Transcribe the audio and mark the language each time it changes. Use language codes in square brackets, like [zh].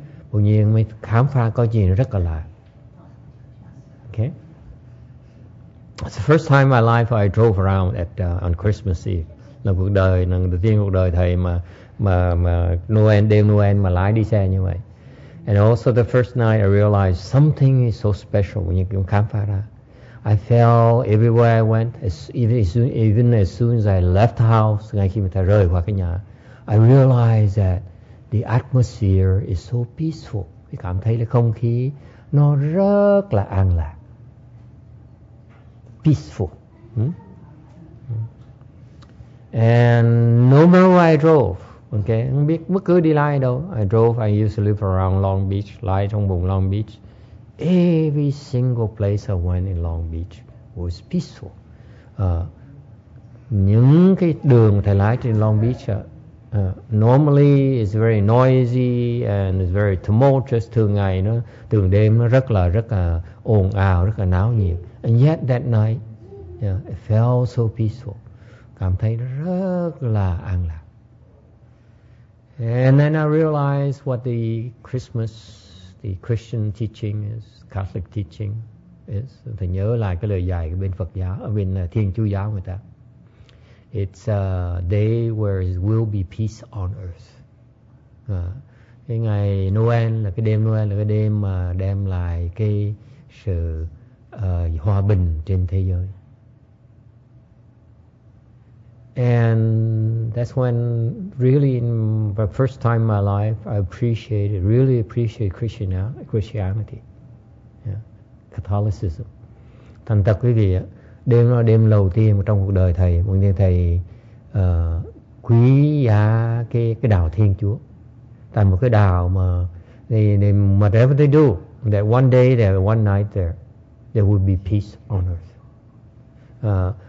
[vi] Bỗng nhiên mới khám phá có gì rất là lạ. [en] Okay. It's the first time in my life I drove around on Christmas Eve. [vi] Lần đầu tiên cuộc đời thầy mà Noel, đêm Noel mà lái đi xe như vậy. [en] And also the first night I realized something is so special. [vi] Bỗng nhiên khám phá ra. [en] I felt everywhere I went, even as soon as I left the house, [vi] ngay khi mà thầy rời qua cái nhà, [en] I realize that the atmosphere is so peaceful. [vi] Tôi cảm thấy là không khí nó rất là an lạc. [en] Peaceful. And no matter where I drove, okay, [vi] không biết bất cứ đi lại đâu, [en] I drove, I used to live around Long Beach, [vi] lái trong vùng Long Beach. [en] Every single place I went in Long Beach was peaceful. [vi] Những cái đường thầy lái trên [en] Long Beach, normally it's very noisy and it's very tumultuous. [vi] Thường ngày nó, thường đêm nó rất là ồn ào, rất là náo nhiệt. [en] And yet that night, yeah, it felt so peaceful. [vi] Cảm thấy rất là an lạc. [en] And then I realized what the Christmas, the Christian teaching is, Catholic teaching is. [vi] Thầy nhớ lại cái lời dạy bên Phật giáo, bên Thiên Chúa giáo người ta. [en] It's a day where it will be peace on earth. [vi] Cái ngày Noel là cái đêm Noel là cái đêm mà đem lại cái sự hòa bình trên thế giới. [en] And that's when really in the first time in my life I really appreciated Christianity. Yeah. Catholicism. [vi] Thành thật quý vị ạ, đêm đó đêm đầu tiên trong cuộc đời thầy, muốn nghe thầy quý giá cái đạo Thiên Chúa, tại một cái đạo mà [en] they whatever they do, that one day there, one night there, there would be peace on earth.